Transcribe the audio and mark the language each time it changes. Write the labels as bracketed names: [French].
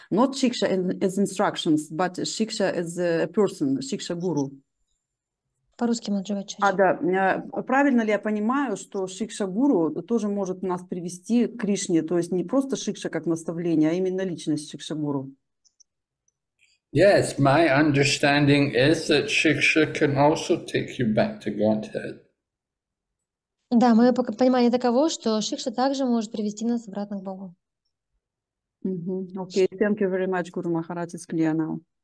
[English] Not Shiksha as instructions, but Shiksha as a person, Shiksha Guru. [Russian] По-русски можно говорить чаще. А, да. Правильно ли я понимаю, что Шикша Гуру тоже может нас привести к Кришне? То есть не просто Шикша как наставление, а именно личность Шикша Гуру? [English] Yes, my understanding is that Shiksha can also take you back to Godhead. [Russian] Да, мое понимание таково, что шикша также может привести нас обратно к Богу. [English] Окей, thank you very much, Guru Maharaj, it's clear now.